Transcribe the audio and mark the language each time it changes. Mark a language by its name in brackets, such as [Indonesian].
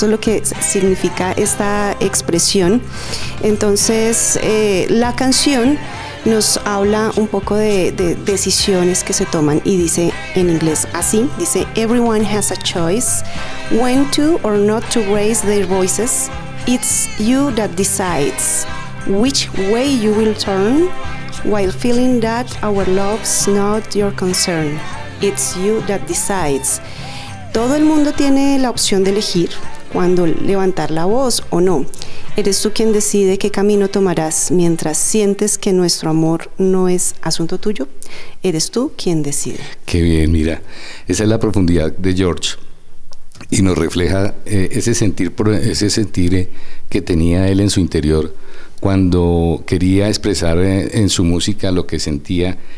[Spanish] Eso es lo que significa esta expresión. Entonces, la canción nos habla un poco de decisiones que se toman, y dice en inglés así, dice: [English] Everyone has a choice when to or not to raise their voices. It's you that decides which way you will turn while feeling that our love's not your concern. It's you that decides. [Spanish] Todo el mundo tiene la opción de elegir cuando levantar la voz o no. Eres tú quien decide qué camino tomarás mientras sientes que nuestro amor no es asunto tuyo. Eres tú quien decide. Qué bien, mira. Esa es la profundidad de George. Y nos refleja ese sentir que tenía él en su interior cuando quería expresar en su música lo que sentía.